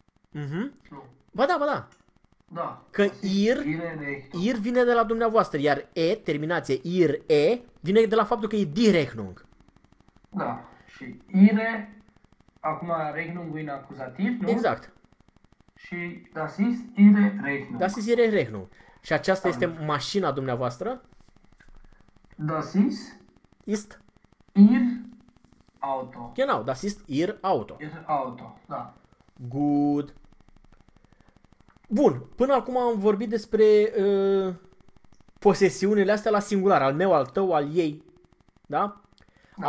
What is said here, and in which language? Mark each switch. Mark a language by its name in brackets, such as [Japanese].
[Romanian] Mhm. Ba da, ba da. Da. Că ir, ir vine de la dumneavoastră, iar e, terminație, ir, e, vine de la faptul că e die Rechnung. Da. Și ire, acum Rechnung-ul e în acuzativ, nu? Exact. [German] Și das ist ihre Rechnung. Das ist ihre Rechnung. [Romanian] Și aceasta da, este mașina dumneavoastră? Das ist? Ist? Ir Auto. Genau, das ist ihr Auto. Ihr Auto, da. Good. Bun, până acum am vorbit despre posesiunile astea la singular, al meu, al tău, al ei, da? Da.